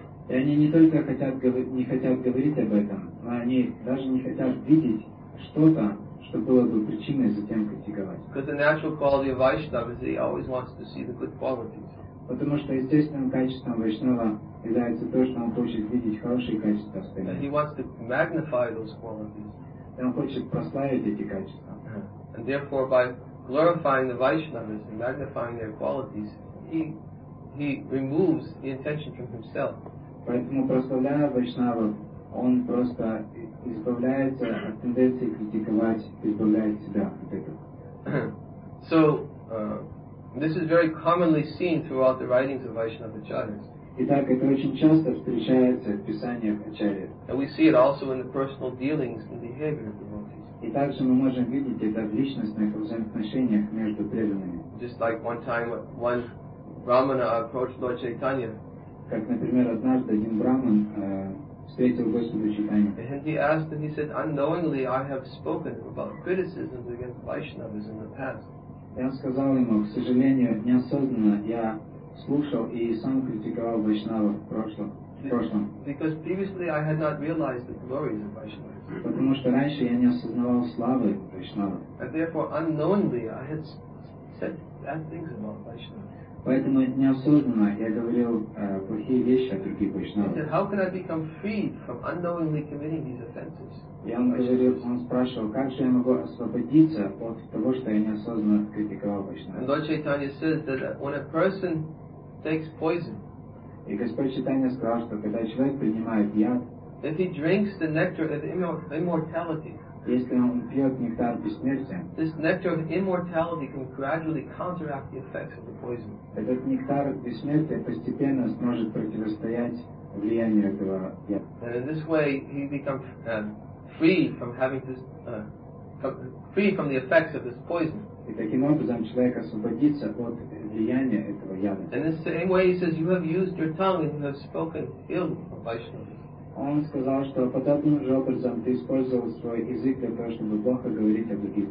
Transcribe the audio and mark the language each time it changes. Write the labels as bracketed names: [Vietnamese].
[Russian] И они не только не хотят говорить об этом, но они даже не хотят видеть что-то, что было бы причиной затем критиковать. [English] Because the natural quality of Vaishnava is he always wants to see the good qualities. [Russian] Потому что естественным качеством Вайшнава является то, что он хочет видеть хорошие качества остальных. [English] And he wants to magnify those qualities. [Russian] И он хочет прославить эти качества. [English] And therefore by glorifying the Vaishnavas and magnifying their qualities, he removes the intention from himself. [Russian] Поэтому прославляя Вайшнава, он просто избавляется от тенденции критиковать, избавляет себя от этого. [English] So, this is very commonly seen throughout the writings of Vaishnava Acharyas. [Russian] Итак, это очень часто встречается в писаниях Ачарьев. [English] And we see it also in the personal dealings and behavior of devotees. [Russian] И также мы можем видеть это в личностных взаимоотношениях между преданными. [English] Just like one time, one Brahmana approached Lord Chaitanya. [Russian] Как, например, однажды один Брахман встретил Господа Чайтанью. [English] And he asked him, he said, unknowingly I have spoken about criticisms against Vaishnavas in the past. [Russian] И он сказал ему, к сожалению, неосознанно я слушал и сам критиковал Вайшнава в прошлом. [English] Because previously I had not realized the glories of Vaishnavas. [Russian] Потому что раньше я не осознавал славы Вайшнава. [English] And therefore unknowingly I had said bad things about Vaishnavas. [Russian] Поэтому неосознанно я говорил плохие вещи о других вайшнавах. [English] How can I become free from unknowingly committing these offenses? [Russian] Он спрашивал, как же я могу освободиться от того, что я неосознанно критиковал вайшнавов. [English] And Lord Chaitanya says that when a person takes poison, [Russian] и Господь Чайтанья сказал, что когда человек принимает яд, [English] if he drinks the nectar of immortality, [Russian] если он пьет нектар бессмертия, [English] this nectar of immortality can gradually counteract the effects of the poison. [Russian] Этот нектар бессмертия постепенно сможет противостоять влиянию этого яда. [English] And in this way, he becomes free from having to free from the effects of this poison. [Russian] И таким образом человек освободится от влияния этого яда. [English] And in the same way, he says, "You have used your tongue and you have spoken ill of Vaishnavas." [Russian] Он сказал, что подобным же образом ты использовал свой язык для того, чтобы плохо говорить о других